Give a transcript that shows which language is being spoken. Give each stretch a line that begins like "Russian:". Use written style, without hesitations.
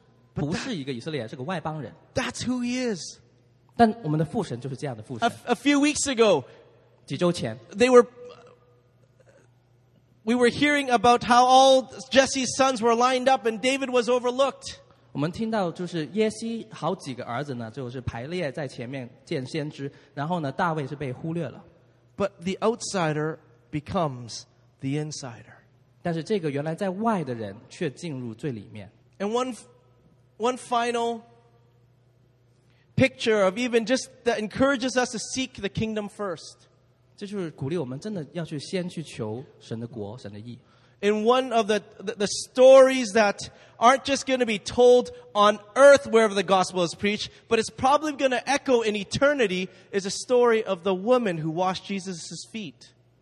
Chinese: 因为这个寡妇本来根本不在神原来旧约的故事当中，她是不是一个以色列，是个外邦人。
English: That's who he is.
Chinese: 但我们的父神就是这样的父神。
English: A few weeks ago,
Chinese: 几周前,
English: we were hearing about how all Jesse's sons were lined up and David was overlooked.
Chinese: 我们听到就是耶西好几个儿子呢，就是排列在前面见先知，然后呢，大卫是被忽略了。
English: But the outsider becomes the insider.
Chinese: 但是这个原来在外的人却进入最里面。
English: And one final picture of even just that encourages us to seek the kingdom first.
Chinese: 这就是鼓励我们真的要去先去求神的国，神的义。
English: In one of the stories that aren't just going to be told on earth wherever the gospel is preached, but it's probably going to echo in eternity, is a story of the woman who washed Jesus' feet.